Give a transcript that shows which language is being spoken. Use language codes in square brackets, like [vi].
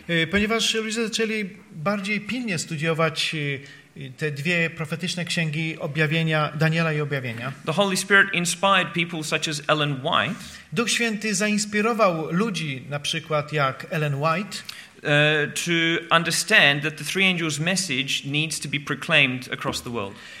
[pl] ponieważ ludzie zaczęli bardziej pilnie studiować te dwie profetyczne księgi objawienia Daniela i objawienia. [en] The Holy Spirit inspired people such as Ellen White. [pl] Duch Święty zainspirował ludzi na przykład jak Ellen White. [en] to understand that the three angels' message needs to be proclaimed across the world.